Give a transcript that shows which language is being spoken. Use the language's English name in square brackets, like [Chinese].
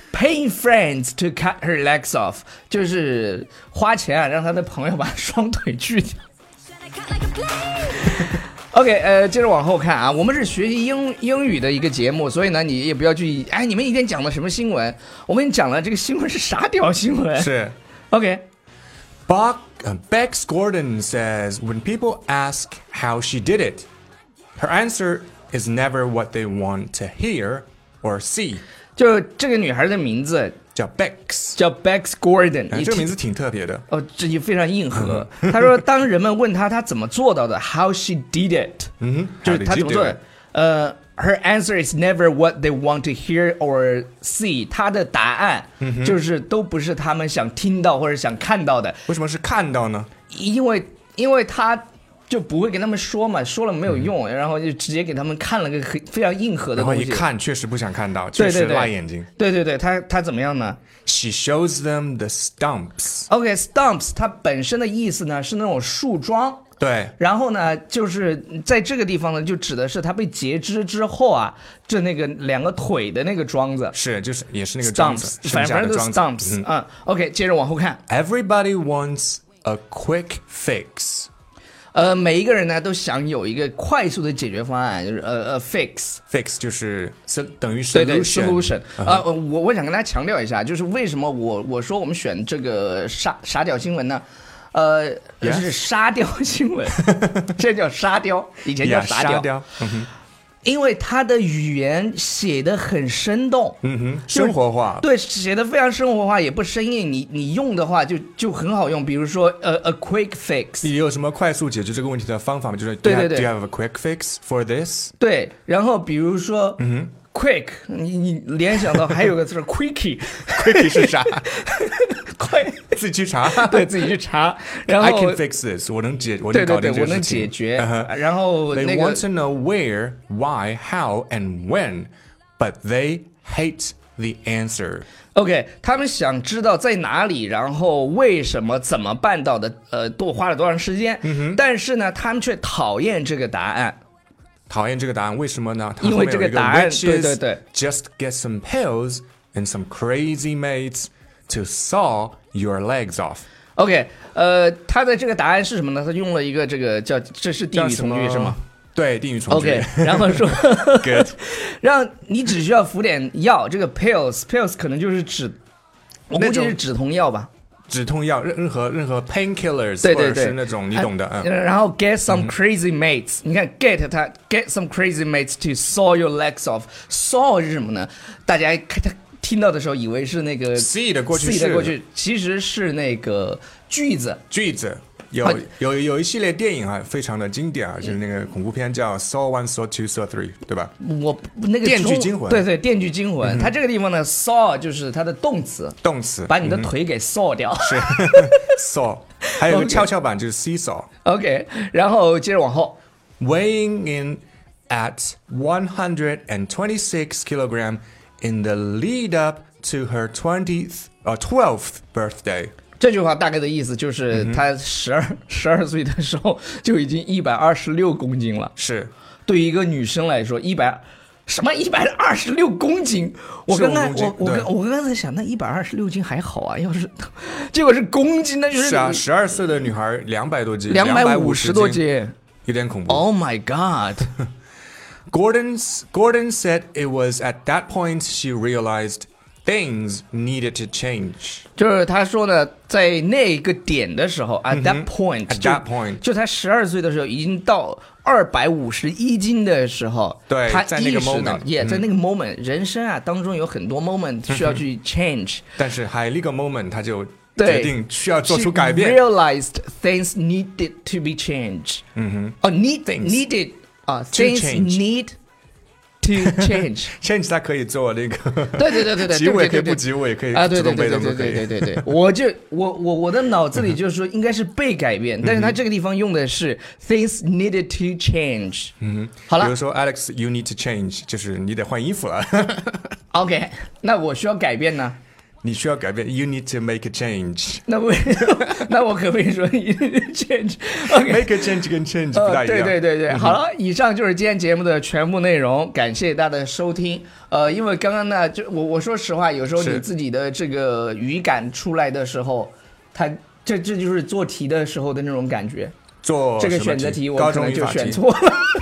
[English] Paying friends to cut her legs off， [Chinese] 就是花钱啊让他的朋友把双腿锯掉。 OK， 接着往后看啊，我们是学习英语的一个节目，所以呢，你也不要去，哎，你们一天讲的什么新闻？我跟你讲了，这个新闻是啥屌新闻？是，OK。 [English] Bex Gordon says when people ask how she did it, her answer is never what they want to hear or see。 [Chinese] 就这个女孩的名字叫 Bex，叫 Bex Gordon、啊。这个名字挺特别的哦，这就非常硬核。他说，当人们问她怎么做到的 ， [English] How she did it，嗯， [Chinese] 就是她怎么做的。 [English] Her answer is never what they want to hear or see。 [Chinese] 她的答案就是都不是他们想听到或者想看到的。为什么是看到呢？因为她就不会跟他们说嘛，说了没有用，嗯、然后就直接给他们看了个非常硬核的东西。然后一看，确实不想看到，确实辣眼睛。对对 对, 对, 对，他怎么样呢 [English] ？She shows them the stumps. Okay, stumps. [Chinese] 它本身的意思呢是那种树桩。对。然后呢，就是在这个地方呢，就指的是他被截肢之后啊，就那个两个腿的那个桩子。是，就是也是那个桩子， stumps, 反正的桩子。 stumps 嗯。嗯。Okay， 接着往后看。 [English] Everybody wants a quick fix. [Chinese] 每一个人呢都想有一个快速的解决方案，就是fix。 fix 就是等于 solution。对对 solution、uh-huh. 我想跟大家强调一下，就是为什么我说我们选这个沙雕新闻呢？ [English] yes. [Chinese] 是沙雕新闻，现在叫沙雕，以前叫沙雕。 [English] Yeah, [Chinese] 因为他的语言写得很生动，嗯哼，生活化，对，写得非常生活化，也不生硬。你用的话就很好用，比如说 [English] a quick fix， [Chinese] 你有什么快速解决这个问题的方法吗？就是对对对 [English] ，Do you have a quick fix for this？ [Chinese] 对，然后比如说，嗯哼，quick， 你联想到还有个字是 quickie，quickie 是啥？快自己去查，对自己去查。然后 [English] I can fix this， [Chinese] 我能解，我能搞定这个事情。对对对，我能解决。Uh-huh. 然后 [English] they、 [Chinese] 那个、 [English] want to know where, why, how, and when, but they hate the answer. [Chinese] OK， 他们想知道在哪里，然后为什么，怎么办到的，多花了多长时间。嗯哼。但是呢，他们却讨厌这个答案。讨厌这个答案，为什么呢？因为这个答案，对对对 [English] ，just get some pills and some crazy mates. To saw your legs off. [Chinese] OK， 他的这个答案是什么呢？他用了一个这个叫，这是定语从句是吗？对，定语从句。 OK， 然后说 [English] ，Good， [Chinese] 让你只需要服点药，这个 pills 可能就是止，我估计是止痛药吧。止痛药，任何 painkillers， 或者是那种你懂的，嗯。然后 [English] get some crazy mates， [Chinese] 你看 [English] get some crazy mates to saw your legs off. [Chinese] Saw 是什么呢？大家看他。听到的时候以为是那个 see 的过去式 see 的过去其实是那个句子有一系列电影啊非常的经典啊就是那个恐怖片叫 Saw 1 Saw 2 Saw 3对吧我那个电锯惊魂对对电锯惊魂、嗯、它这个地方呢 Saw 就是它的动词把你的腿给 Saw 掉、嗯、是Saw 还有个跷跷板就是 Seesaw OK 然后接着往后 [English] Weighing in at 126 kilograms In the lead up to her 12th birthday, [Chinese] 这句话大概的意思就是她十二岁的时候就已经126公斤了。是，对于一个女生来说，126公斤？我刚才想，那126斤还好啊，要是结果是公斤，那就是啊，十二岁的女孩250多斤，有点恐怖。 [English] Oh my god! Gordon said it was at that point she realized things needed to change. [Chinese] 就是他说呢，在那个点的时候 ， [English] at that point, at that point, [Chinese] 就他十二岁的时候，已经到251斤的时候，对，他意识到，在那个 moment, 在那个 moment,人生啊当中有很多 moment 需要去 change. 但是还那个 moment 他就决定需要做出改变。 [English] She realized things needed to be changed. 嗯哼，哦 ，need things needed. Things need to change. [Chinese] change 它可以做那个对对对对对，结尾可以不结尾，可以啊，对对对对对对对对。我的脑子里就是说应该是被改变，但是它这个地方用的是 [English] things needed to change。嗯， [Chinese] 好了，比如说 Alex, [English] you need to change, [Chinese] 就是你得换衣服了。 OK, 那我需要改变呢？你需要改变 [English] You need to make a change [Chinese] 那我可不可以说 [English] You need to change、 [Chinese] okay. [English] Make a change [Chinese] 跟 change 不大一样、对对对对、好了，以上就是今天节目的全部内容，感谢大家的收听。因为刚刚呢就 我说实话，有时候你自己的这个语感出来的时候，它 这就是做题的时候的那种感觉，做这个选择题我可能就选错了，